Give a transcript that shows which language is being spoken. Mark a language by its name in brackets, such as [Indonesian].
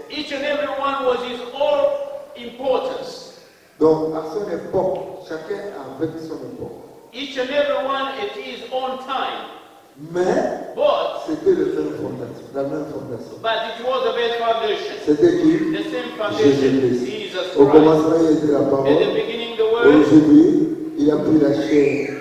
[English] Each and every one was his own importance. [French] Donc à son époque, chacun avait son époque. [English] Each and every one at his own time. [French] Mais [English] but, [French] c'était le même fondation, la même fondation. [English] But it was the best foundation. [French] C'était qui? [English] The same foundation. [French] Jésus-Christ. [English] Jesus [French] au commencement, il était la parole. [English] At the beginning, the word. [French] Aujourd'hui, il a pris la chair.